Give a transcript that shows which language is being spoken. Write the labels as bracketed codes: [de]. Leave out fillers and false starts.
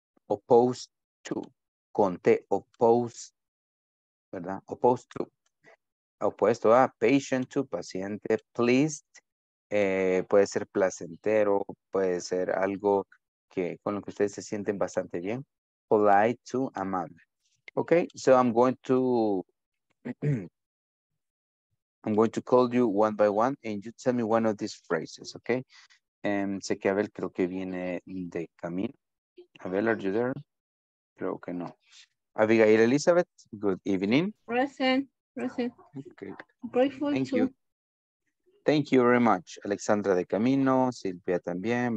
[en] Opposed to, conté, opposed, ¿verdad? [es] Opposed to, opuesto a, patient to, paciente, pleased, puede ser placentero, puede ser algo que, con lo que ustedes se sienten bastante bien. [en] Polite to, amable. Okay, so I'm going to call you one by one and you tell me one of these phrases, okay? [es] Sé que Abel creo que viene de camino. [en] Abel, are you there? [es] Creo que no. [en] Abigail Elizabeth, good evening. Present. Okay. Grateful Thank to. You. Thank you very much. Alexandra [es] de Camino, Silvia también.